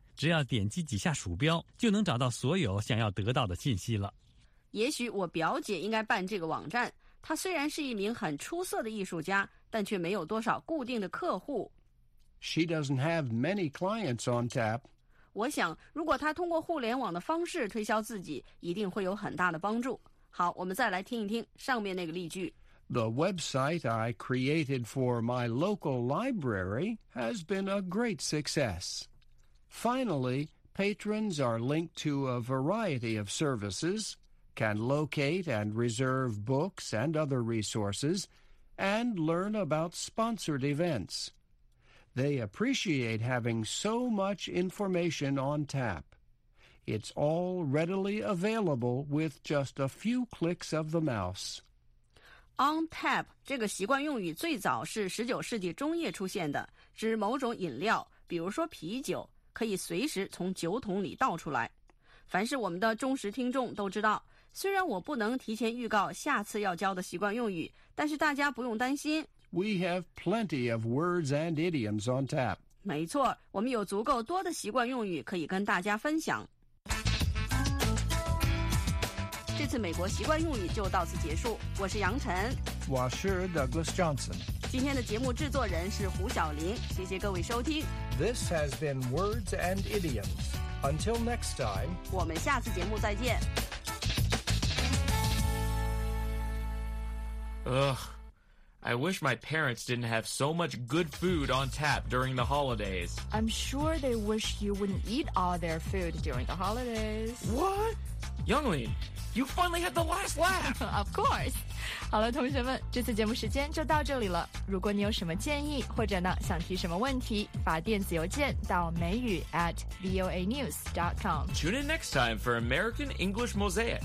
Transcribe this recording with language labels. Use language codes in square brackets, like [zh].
[zh] 只要点击几下鼠标，就能找到所有想要得到的信息了。也许我表姐应该办这个网站，她虽然是一名很出色的艺术家，但却没有多少固定的客户。 [en] She doesn't have many clients on tap. [zh] 我想，如果她通过互联网的方式推销自己，一定会有很大的帮助。好，我们再来听一听上面那个例句。 [en] The website I created for my local library has been a great success. Finally, patrons are linked to a variety of services. Can locate and reserve books and other resources, and learn about sponsored events. They appreciate having so much information on tap. It's all readily available with just a few clicks of the mouse. [zh] On tap 这个习惯用语最早是19世纪中叶出现的，指某种饮料，比如说啤酒，可以随时从酒桶里倒出来。凡是我们的忠实听众都知道，虽然我不能提前预告下次要教的习惯用语，但是大家不用担心。 [en] We have plenty of words and idioms on tap. [zh] 没错，我们有足够多的习惯用语可以跟大家分享。这次美国习惯用语就到此结束，我是杨晨。我是 Douglas Johnson。今天的节目制作人是胡晓林，谢谢各位收听。 [en] This has been Words and Idioms. Until next time. [zh] 我们下次节目再见。 [en] Ugh, I wish my parents didn't have so much good food on tap during the holidays. I'm sure they wish you wouldn't eat all their food during the holidays. What? Younglin, you finally had the last laugh! Of course! [zh] 好了，同学们，这次节目时间就到这里了。如果你有什么建议，或者呢，想提什么问题，发电子邮件到美语@voanews.com. [en] Tune in next time for American English Mosaic.